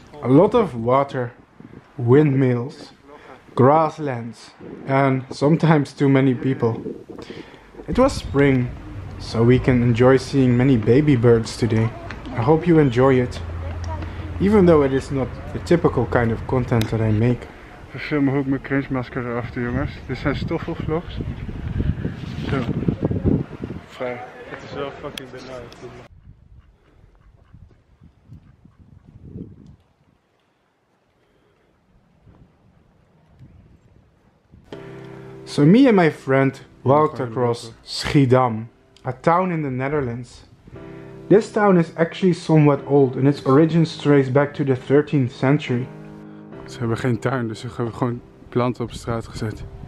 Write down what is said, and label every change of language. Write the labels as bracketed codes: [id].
[en] A lot of water, windmills, grasslands, and sometimes too many people. It was spring, so we can enjoy seeing many baby birds today. I hope you enjoy it. Even though it is not the typical kind of content that I make. [nl] We filmen ook mijn cringe masker erachter, jongens. Dit zijn stoffelvlogs. Het is wel fucking benauwd. [en] So me and my friend walked across Schiedam, a town in the Netherlands. This town is actually somewhat old and its origins trace back to the 13th century. [nl] Ze hebben geen tuin, dus ze hebben gewoon planten op straat gezet.